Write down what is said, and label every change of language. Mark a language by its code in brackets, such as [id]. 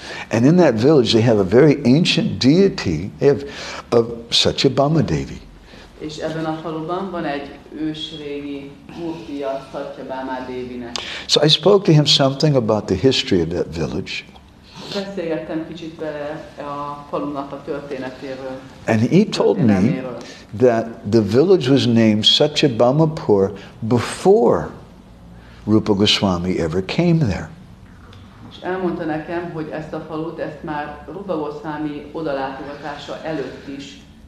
[en] And in that village, they have a very ancient deity of Satyabhama Devi. [hu] És ebben a faluban van egy ősrégi kultja Satyabhama Devinek. [en] So I spoke to him something about the history of that village. [hu] Beszélgettem kicsit vele a falunak a történetéről. [en] And he told me that the village was named Satyabhamapur before Rupa Goswami ever came there. [hu] És elmondta nekem, hogy ezt a falut, ezt már Rupa Goswami odalátogatása előtt is